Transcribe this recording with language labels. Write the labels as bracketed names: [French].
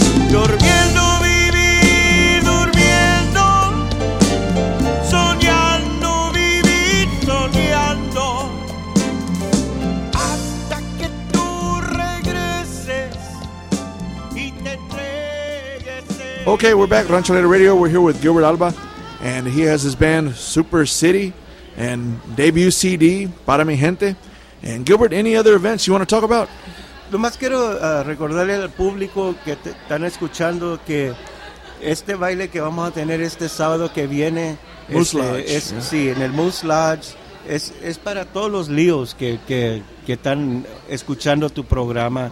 [Spanish] Durmiendo vivir durmiendo, soñando vivir soñando, hasta que tú regreses y te entregues. [English] Okay, we're back, Rancho Leto Radio. We're here with Gilbert Alba, and he has his band Super City and debut CD Para Mi Gente. And Gilbert, any other events you want to talk about? [Spanish] Lo más quiero recordarle al público que están escuchando que este baile que vamos a tener este sábado que viene, sí, en el Moose Lodge, es para todos los líos que están escuchando tu programa.